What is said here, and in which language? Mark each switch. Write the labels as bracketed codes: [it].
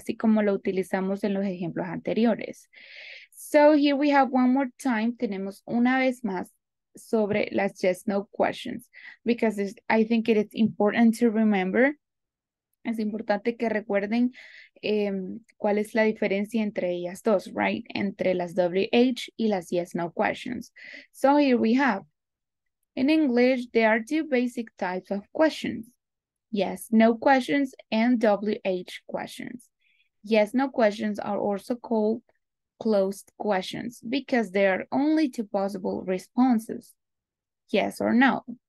[es] Así como lo utilizamos en los ejemplos anteriores. [en] So here we have one more time. [es] Tenemos una vez más sobre las yes, no questions. [en] Because I think it is important to remember. [es] Es importante que recuerden cuál es la diferencia entre ellas dos, right? Entre las WH y las yes, no questions. [en] So here we have. In English, there are two basic types of questions. Yes, no questions and WH questions. Yes, no questions are also called closed questions because there are only two possible responses, yes or no.